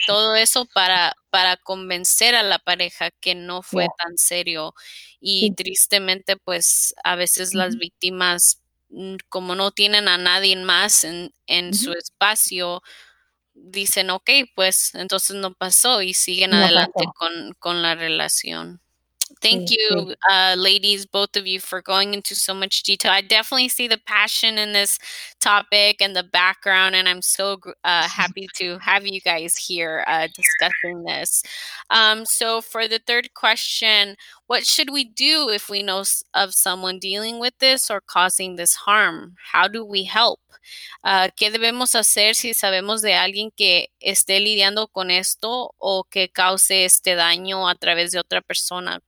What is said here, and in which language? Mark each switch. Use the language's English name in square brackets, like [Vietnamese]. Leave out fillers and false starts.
[Spanish] Todo eso para convencer a la pareja que no fue sí. Tan serio. Y sí. Tristemente, pues, a veces uh-huh. Las víctimas, como no tienen a nadie más en uh-huh. Su espacio, dicen, okay, pues, entonces no pasó, y siguen no adelante con la relación. [English] Thank you, ladies, both of you, for going into so much detail. I definitely see the passion in this topic and the background, and I'm so happy to have you guys here discussing this. So for the third question, what should we do if we know of someone dealing with this or causing this harm? How do we help? [Spanish] ¿Qué debemos hacer si sabemos de alguien que esté lidiando con esto o que cause este daño a través de otra persona?